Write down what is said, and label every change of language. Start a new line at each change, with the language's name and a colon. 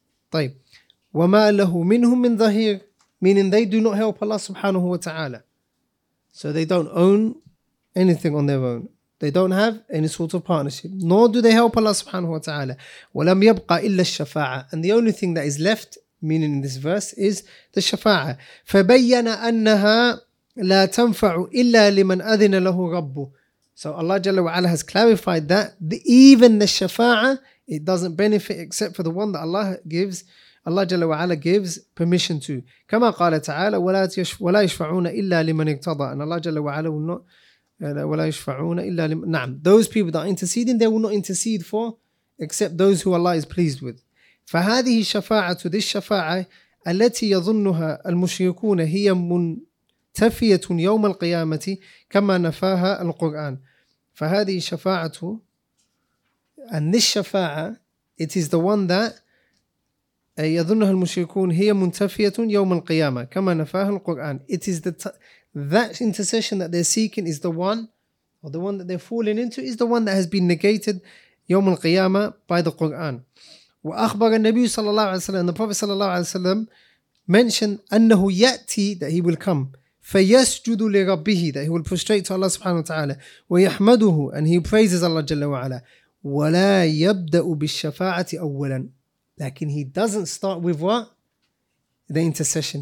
Arabic: طيب. وَمَا لَهُ مِنْهُمْ مِنْ ظَهِيرٍ.
English: Meaning they do not help Allah subhanahu wa ta'ala. So they don't own anything on their own. They don't have any sort of partnership. Nor do they help Allah subhanahu wa ta'ala.
Arabic: وَلَمْ يَبْقَى إِلَّا الشَّفَاعَةِ.
English: And the only thing that is left, meaning in this verse, is the shafa'a.
Arabic: فَبَيَّنَ أَنَّهَا لا تنفع إلا لمن أذن له ربه.
English: So Allah Jalla wa Ala has clarified that even the shafa'a, it doesn't benefit except for the one that Allah Jalla wa Ala gives permission to.
Arabic: كما قال تعالى ولا يشفعون إلا لمن اقتضى.
English: And Allah Jalla wa Ala will not
Arabic: ولا يشفعون إلا لمن. نعم.
English: Those people that are interceding, they will not intercede for except those who Allah is pleased with.
Arabic: فهذه الشفاعة,
English: this shafa'a
Arabic: التي يظنها المشركون هي من تفية يوم القيامة كما نفاها القرآن. فهذه شفاعة,
English: and this
Arabic: شفاعة,
English: it is the one that
Arabic: يظنها المشركون هي منتفية يوم القيامة كما نفاها القرآن.
English: It is that intercession that they're seeking is the one, or the one that they're falling into is the one that has been negated
Arabic: يوم القيامة
English: by the Quran.
Arabic: وأخبر النبي صلى الله عليه وسلم,
English: the Prophet صلى الله عليه وسلم mentioned
Arabic: أنه يأتي,
English: that he will come,
Arabic: فَيَسْجُدُ لِرَبِّهِ,
English: that he will prostrate to Allah subhanahu wa ta'ala,
Arabic: وَيَحْمَدُهُ,
English: and he praises Allah jalla wa ala,
Arabic: وَلَا يَبْدَأُ بِالشَّفَاعَةِ أَوَّلًا, لكن
English: he doesn't start with what? The intercession.